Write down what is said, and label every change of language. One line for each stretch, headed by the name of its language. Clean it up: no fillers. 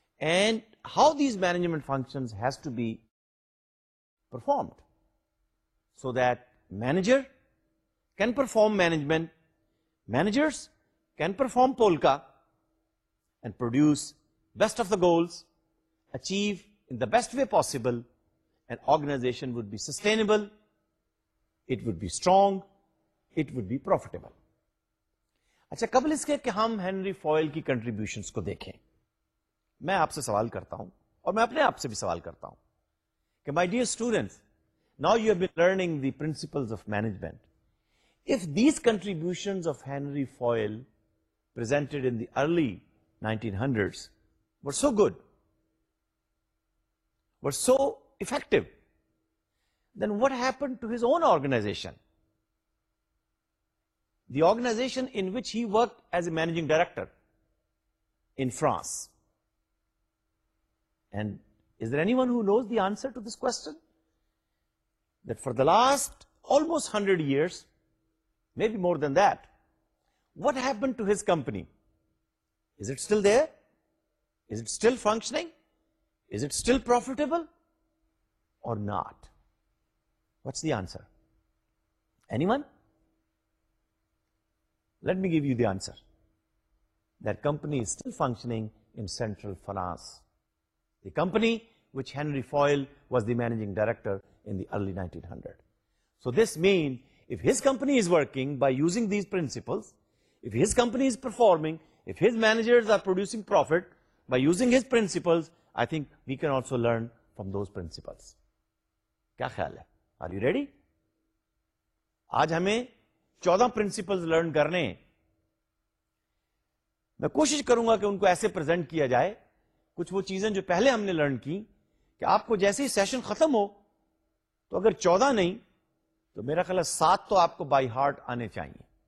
English: and how these management functions has to be performed so that manager can perform management, managers can perform polka and produce best of the goals, achieve in the best way possible, an organization would be sustainable, it would be strong, it would be profitable.
Urdu: اچھا, قبل اس کے ہم Henry فوئل کی contributions کو دیکھیں, میں آپ سے سوال کرتا ہوں اور میں اپنے آپ سے بھی سوال کرتا ہوں کہ
English: My dear students, now you have been learning the principles of management, if these contributions of Henry Fayol presented in the early 1900s were so good, were so effective, then what happened to his own organization, the organization in which he worked as a managing director in France? And is there anyone who knows the answer to this question? That for the last almost 100 years, maybe more than that, what happened to his company? Is it still there? Is it still functioning? Is it still profitable or not? What's the answer? Anyone? Let me give you the answer. That company is still functioning in central France. The company which Henry Foyle was the managing director in the early 1900. So this means if his company is working by using these principles, if his company is performing, if his managers are producing profit by using his principles, I think we can also learn from those principles.
Urdu: Kya khayal hai?
English: Are you ready?
Urdu: آج ہمیں 14 principles learn کرنے, میں کوشش کروں گا کہ ان کو ایسے present کیا جائے کچھ وہ چیزیں جو پہلے ہم نے لرن کی, کہ آپ کو جیسے ہی سیشن ختم ہو تو اگر 14 نہیں تو میرا خیال ہے 7 تو آپ کو بائی ہارٹ آنے چاہیے.